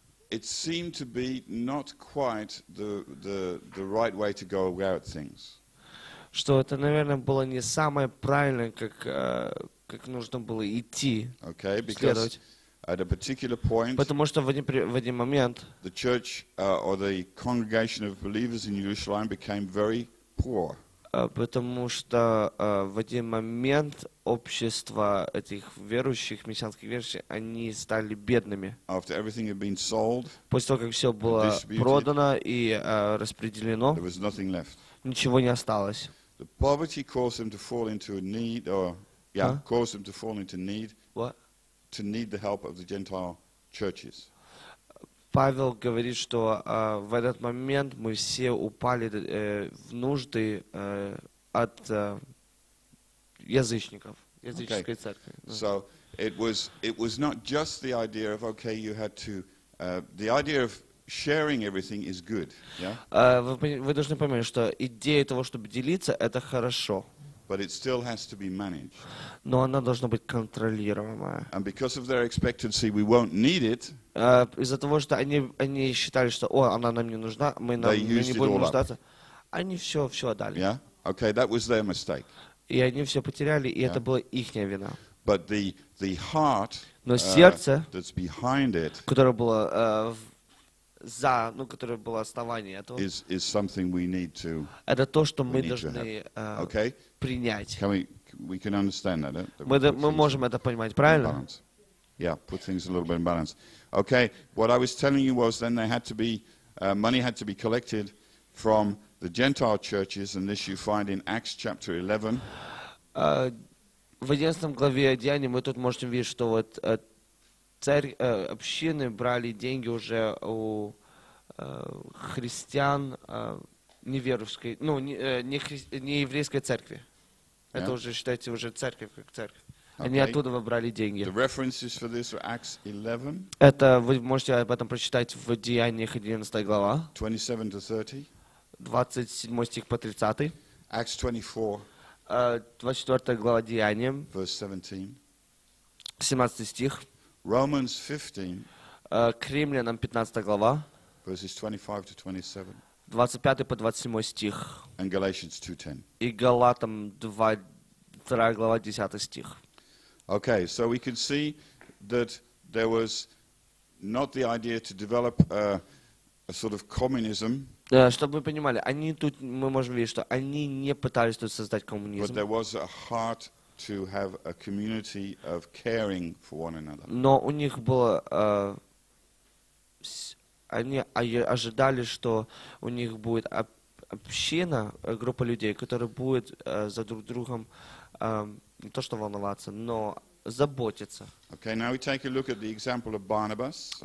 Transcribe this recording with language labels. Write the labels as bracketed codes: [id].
[en] It seemed to be not quite the right way to go about things. [ru] Что это, наверное, было не самое правильное, как нужно было идти. [en] Okay, because at a particular point. [ru] Потому что в один момент. [en] The church or the congregation of believers in Jerusalem became very poor. [ru] Потому что в один момент общество этих верующих, мессианских верующих, они стали бедными. [en] After everything had been sold, [ru] после того, как все было продано и распределено, [en] there was nothing left. [ru] Ничего не осталось. [en] The poverty caused them to fall into need, or yeah, huh? Caused them to fall into need. What? To need the help of the Gentile churches. [ru] Павел говорит, что в этот момент мы все упали в нужды от язычников, языческой [en] okay. [ru] церкви. [en] So it was not just the idea of okay, you had to the idea of sharing everything is good. Yeah? [ru] Вы должны понимать, что идея того, чтобы делиться, это хорошо. [en] But it still has to be managed. [ru] Но она должна быть контролируемая. [en] And because of their expectancy, we won't need it. [ru] Из-за того, что они считали, что, о, она нам не нужна, мы не будем нуждаться. Они все отдали. [en] Yeah. Okay, that was their mistake. [ru] И они все потеряли, и это была ихняя вина. [en] But the heart. [ru] Но сердце. [en] That's behind it. [ru] Которое было которое было основание этого. [en] Is something we need to. [ru] Это то, что мы должны. Okay. Принять. [en] We can understand that. [ru] Мы можем это понимать, правильно? [en] Yeah, put things a little bit in balance. Okay, what I was telling you was then they had to be money had to be collected from the Gentile churches, and this you find in Acts chapter 11. [ru] В 11 главе Деяний мы тут можем видеть, что вот общины брали деньги уже у христиан неверовской, не еврейской церкви. Это уже, считайте, уже церковь как церковь. [en] Okay. [ru] Они оттуда выбрали деньги. [en] The references for this are Acts 11. [ru] Это вы можете об этом прочитать в Деяниях 11 глава. [en] 27 to 30. [ru] 27 стих по 30. [en] Acts 24. [ru] 24 глава Деяниям. [en] Verse 17. [ru] 17 стих. [en] Romans 15. [ru] К Римлянам 15 глава. [en] Verses 25 to 27. [ru] 25 по 27 стих. [en] And Galatians 2:10. [ru] И Галатам 2 глава 10 стих. [en] Okay, so we can see that there was not the idea to develop a sort of communism. [ru] Чтобы вы понимали, мы можем видеть, что они не пытались тут создать коммунизм. [en] But there was a heart to have a community of caring for one another. [ru] Но у них было они ожидали, что у них будет община, группа людей, которая будет за друг другом не то что волноваться, но заботиться. [en] Okay, now we take a look at the example of Barnabas.